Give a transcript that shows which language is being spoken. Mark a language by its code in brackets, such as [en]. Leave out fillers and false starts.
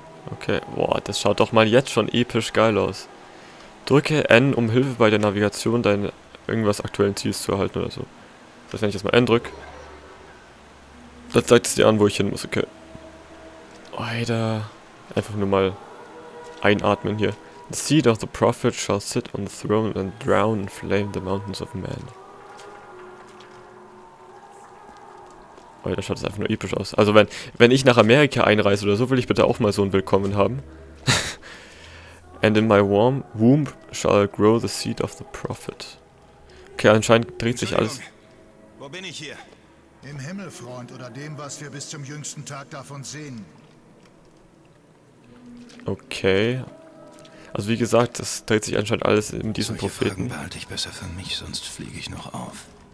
[de] Okay. Boah, das schaut doch mal jetzt schon episch geil aus. Drücke N, um Hilfe bei der Navigation deines irgendwas aktuellen Ziels zu erhalten oder so. Das heißt, wenn ich jetzt mal N drücke, Das zeigt es dir an, wo ich hin muss, okay. Alter. Einfach nur mal einatmen hier. [en] The seed of the prophet shall sit on the throne and drown in flame the mountains of man. [de] Alter, schaut das einfach nur episch aus. Also wenn ich nach Amerika einreise oder so, will ich bitte auch mal so ein Willkommen haben. [en] And in my warm womb shall grow the seed of the prophet. [de] Okay, anscheinend dreht sich alles. Wo bin ich hier? Im Himmel, Freund, oder dem, was wir bis zum jüngsten Tag davon sehen. Okay. Also wie gesagt, das dreht sich anscheinend alles in diesem Propheten. Solche Fragen behalte ich besser für mich, sonst fliege ich noch auf.